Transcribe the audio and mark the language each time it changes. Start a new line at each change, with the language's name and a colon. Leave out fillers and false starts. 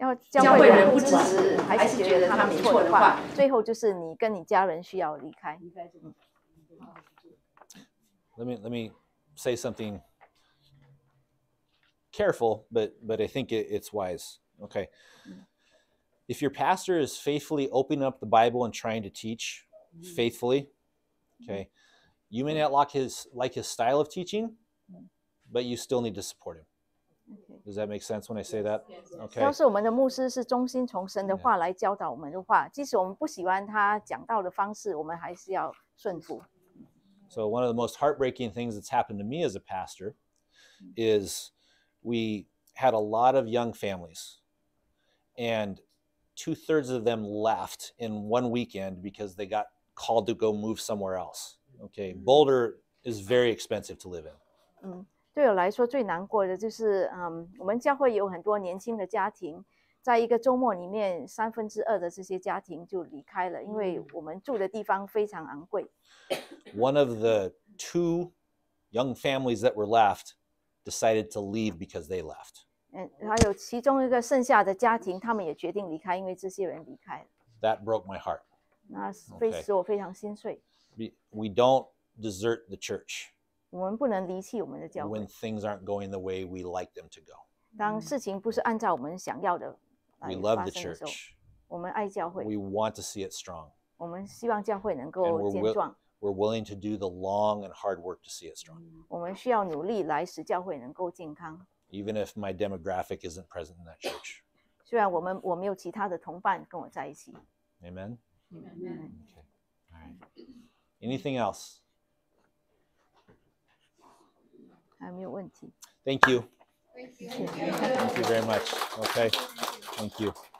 Chinese: 教会人不支持，还是觉得他没错的话，最后就是你跟你家人需要离开。
English: Let me say something careful, but I think it's wise. Okay. If your pastor is faithfully opening up the Bible and trying to teach faithfully, okay, you may not like his style of teaching, but you still need to support him. Does that make sense when I say that? Okay.
Chinese: 要是我们的牧师是忠心从神的话来教导我们的话，即使我们不喜欢他讲道的方式，我们还是要顺服。
English: So one of the most heartbreaking things that's happened to me as a pastor is we had a lot of young families, and 2/3 of them left in one weekend because they got called to go move somewhere else. Okay, Boulder is very expensive to live in.
Chinese: 对我来说最难过的就是，我们教会有很多年轻的家庭，在一个周末里面，三分之二的这些家庭就离开了，因为我们住的地方非常昂贵。
English: One of the two young families that were left decided to leave because they left.
Chinese: 还有其中一个剩下的家庭，他们也决定离开，因为这些人离开了。
English: That broke my heart.
Chinese: 那非使我非常心碎。
English: We don't desert the church.
Chinese: 我们不能离弃我们的教会。
English: When things aren't going the way we like them to go.
Chinese: 当事情不是按照我们想要的
English: ，We love the church.
Chinese: 我们爱教会。
English: We want to see it strong.
Chinese: 我们希望教会能够坚壮。
English: We're willing to do the long and hard work to see it strong.
Chinese: 我们需要努力来使教会能够健康。
English: Even if my demographic isn't present in that church.
Chinese: 虽然我没有其他的同伴跟我在一起。
English: Amen? Amen. Okay. All right. Anything else?
Chinese: 还没有问题。
English: Thank you. Thank you very much. Okay. Thank you.